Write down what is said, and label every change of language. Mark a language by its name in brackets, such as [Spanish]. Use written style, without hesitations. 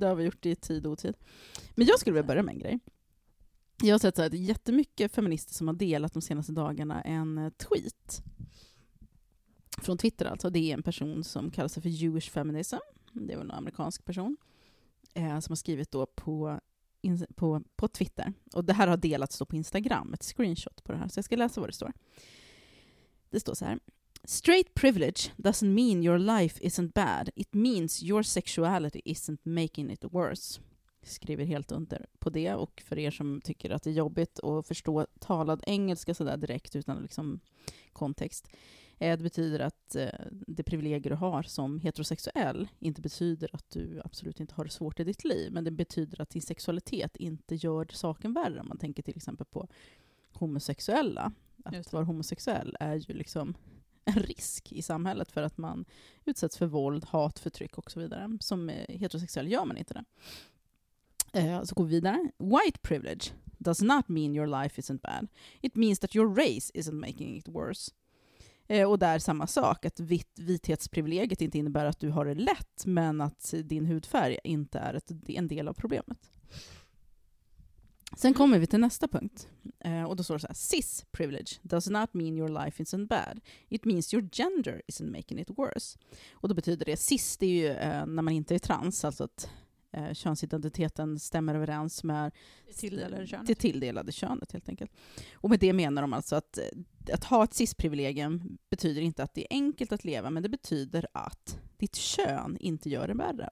[Swedish] Det har vi gjort i tid och tid. Men jag skulle vilja börja med en grej. Jag har sett så här, jättemycket feminister som har delat de senaste dagarna en tweet. Från Twitter alltså. Det är en person som kallar sig för Jewish Feminism. Det är väl en amerikansk person. Som har skrivit då på Twitter. Och det här har delats då på Instagram. Ett screenshot på det här. Så jag ska läsa vad det står. Det står så här. [English] Straight privilege doesn't mean your life isn't bad. It means your sexuality isn't making it worse. [Swedish] Skriver helt under på det, och för er som tycker att det är jobbigt att förstå talad engelska sådär direkt utan liksom kontext, det betyder att det privilegier du har som heterosexuell inte betyder att du absolut inte har det svårt i ditt liv, men det betyder att din sexualitet inte gör saken värre. Om man tänker till exempel på homosexuella, att vara homosexuell är ju liksom en risk i samhället för att man utsätts för våld, hat, förtryck och så vidare. Som heterosexuell gör man inte det. Så går vi vidare. [English] White privilege does not mean your life isn't bad. It means that your race isn't making it worse. [Swedish] Och där samma sak, att vithetsprivilegiet inte innebär att du har det lätt, men att din hudfärg inte är en del av problemet. Sen kommer vi till nästa punkt. Och då står det så här. [English] Cis privilege does not mean your life isn't bad. It means your gender isn't making it worse. [Swedish] Och då betyder det, cis det är ju när man inte är trans, alltså att könsidentiteten stämmer överens med det tilldelade könet helt enkelt. Och med det menar de alltså att ha ett cis-privilegium betyder inte att det är enkelt att leva, men det betyder att ditt kön inte gör det värre.